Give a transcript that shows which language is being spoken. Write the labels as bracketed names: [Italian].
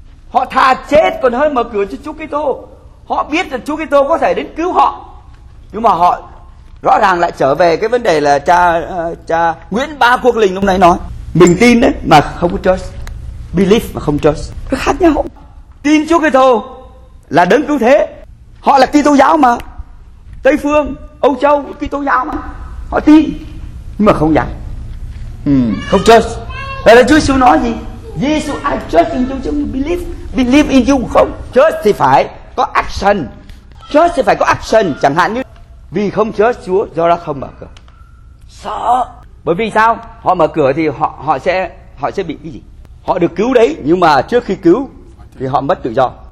[Vietnamese] Họ thà chết còn hơn mở cửa cho Chúa Kitô. Họ biết là Chúa Kitô có thể đến cứu họ, nhưng mà họ rõ ràng lại trở về cái vấn đề là cha Nguyễn Ba Quốc Linh hôm nay nói: mình tin đấy mà không có trust, believe mà không trust, có khác nhau. Tin Chúa Kitô là đấng cứu thế, họ là Kitô giáo mà, Tây phương Âu Châu Kitô giáo mà, họ tin nhưng mà không dám, không trust. Vậy là Chúa Giêsu nói gì? [English] Jesus, I trust in you, believe in you. [Vietnamese] Không trust thì phải có action, trust thì phải có action. Chẳng hạn như vì không trust Chúa do đó không mở cửa, sợ. Bởi vì sao? Họ mở cửa thì họ sẽ bị cái gì? Họ được cứu đấy, nhưng mà trước khi cứu thì họ mất tự do.